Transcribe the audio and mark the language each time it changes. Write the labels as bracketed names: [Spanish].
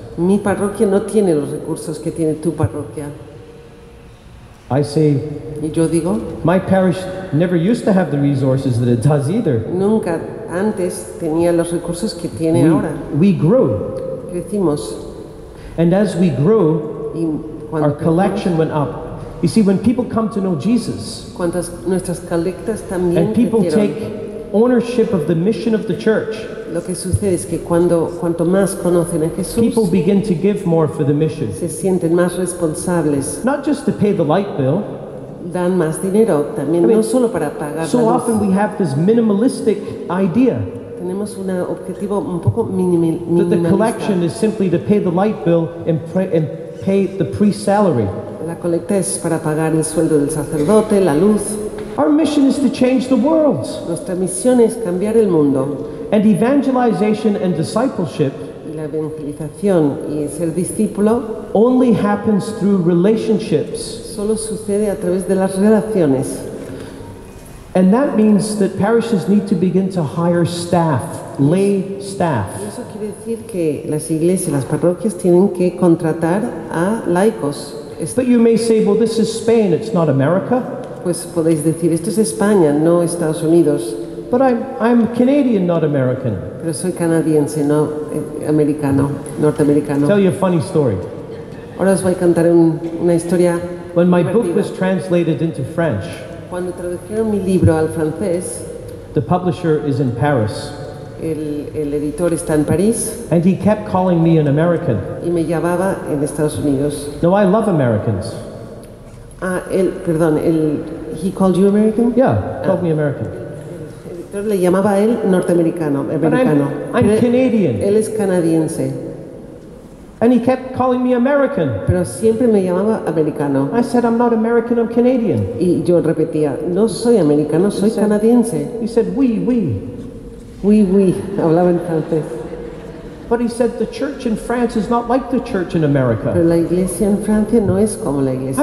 [Spanish] Mi parroquia no tiene los recursos que tiene tu parroquia. [English] I say, [Spanish] y yo digo, [English] my parish never used to have the resources that it does either. [Spanish] Nunca antes tenía los recursos que tiene ahora. [English] We grew. [Spanish] Crecimos. [English] And as we grew, [Spanish] y cuando [English] our collection [Spanish] crecimos, [English] went up. You see, when people come to know Jesus, [Spanish] cuántas nuestras colectas también [English] and people take ownership of the mission of the church, [Spanish] lo que sucede es que cuando, cuanto más conocen a Jesús, [English] people begin to give more for the mission. [Spanish] Se sienten más responsables. [English] Not just to pay the light bill. [Spanish] Dan más dinero también, [English] I mean, [Spanish] no solo para pagar [English] so [Spanish] la luz. [English] Often we have this minimalistic idea. [Spanish] Tenemos un objetivo un poco minimalista. [English] That the collection is simply to pay the light bill and pay the priest's salary. [Spanish] La colecta es para pagar el sueldo del sacerdote, la luz. [English] Our mission is to change the world. [Spanish] Nuestra misión es cambiar el mundo. [English] And evangelization and discipleship, [Spanish] y la evangelización y ser discípulo, [English] only happens through relationships. [Spanish] Solo sucede a través de las relaciones. [English] And that means that parishes need to begin to hire staff, lay staff. [Spanish] Y eso quiere decir que las iglesias, las parroquias tienen que contratar a laicos. [English] But you may say, well, this is Spain, it's not America. [Spanish] Pues podéis decir, esto es España, no Estados Unidos. [English] But I'm Canadian, not American. [Spanish] Pero soy canadiense, no americano, norteamericano. [English] Tell you a funny story. [Spanish] Ahora os voy a contar una historia. [English] When my book was translated into French, [Spanish] cuando tradujeron mi libro al francés, [English] the publisher is in Paris. [Spanish] El editor está en París. [English] And he kept calling me an American. [Spanish] Y me llamaba en Estados Unidos. [English] No, I love Americans. [Spanish] Ah, el, perdón, el, he called you American? [English] Yeah, called me American. [Spanish] El editor le llamaba a él norteamericano, americano. [English] But I'm Canadian. [Spanish] Él es canadiense. [English] And he kept calling me American. [Spanish] Pero siempre me llamaba americano. [English] I said, I'm not American, I'm Canadian. [Spanish] Y yo repetía, no soy americano, soy canadiense. [English] He said, oui. [French] Oui, oui, [Spanish] hablaba en francés. [English] But he said, the church in France is not like the church in America. [Spanish] Pero la iglesia en Francia no es como la iglesia.